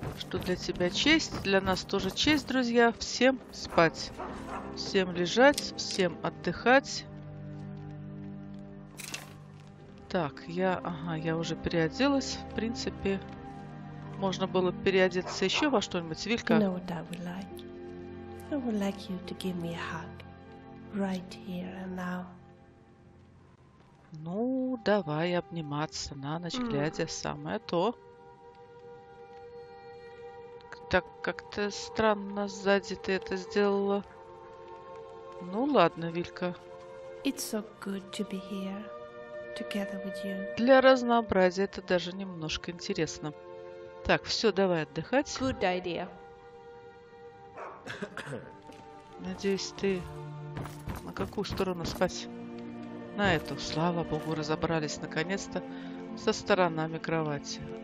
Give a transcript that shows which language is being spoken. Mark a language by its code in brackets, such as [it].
[ru] Тут для тебя честь, для нас тоже честь, друзья. Всем спать, всем лежать, всем отдыхать. Так, я уже переоделась. В принципе, можно было переодеться еще во что-нибудь. Вилька. [en] No, what I would like. I would like you to give me a hug right here and now. [ru] Ну, давай обниматься на ночь, глядя, самое то. Так как-то странно сзади ты это сделала. Ну ладно, Вилька. [en] It's so good to be here together with you. [ru] Для разнообразия это даже немножко интересно. Так, все, давай отдыхать. [en] Good idea. [ru] Надеюсь, ты на какую сторону спать? На эту. Слава богу, разобрались наконец-то со сторонами кровати.